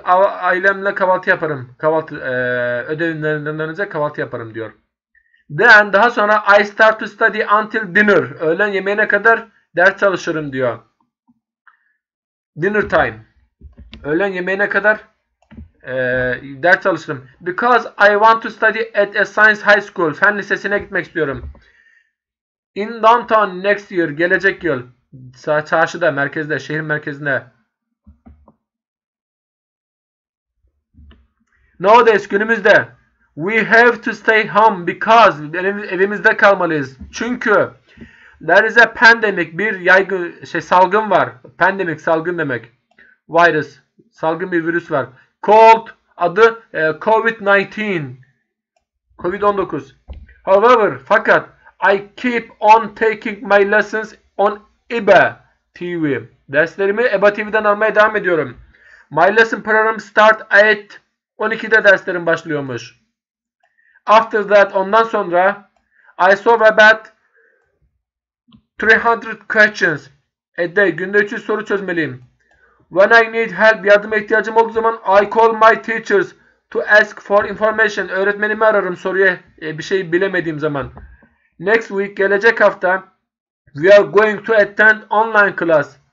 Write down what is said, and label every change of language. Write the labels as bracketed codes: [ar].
[tr] Ailemle kahvaltı yaparım. Kahvaltı ödevimden önce kahvaltı yaparım diyor. [en] Then [tr] daha sonra [en] I start to study until dinner. [tr] Öğlen yemeğine kadar ders çalışırım diyor. [en] Dinner time. [tr] Öğlen yemeğine kadar ders çalışırım. [en] Because I want to study at a science high school. [tr] Fen lisesine gitmek istiyorum. [en] In downtown next year. [tr] Gelecek yıl. Çarşıda, merkezde, şehir merkezinde. [en] Nowadays, [tr] günümüzde. [en] We have to stay home because [tr] evimizde kalmalıyız. Çünkü [en] there is a pandemic, [tr] bir yaygın salgın var. Pandemic, salgın demek. Virus, salgın bir virüs var. Called, adı COVID-19. COVID-19. [en] However, fakat I keep on taking my lessons on EBA TV. [tr] Derslerimi EBA TV'den almaya devam ediyorum. [en] My lesson program start at [tr] 12'de derslerim başlıyormuş. [en] After that, [tr] ondan sonra [en] I saw about 300 questions a day. [tr] Günde 300 soru çözmeliyim. [en] When I need help, [tr] yardıma ihtiyacım olduğu zaman [en] I call my teachers to ask for information. [tr] Öğretmenimi ararım soruya bir şey bilemediğim zaman. [en] Next week, [tr] gelecek hafta [en] we are going to attend online class.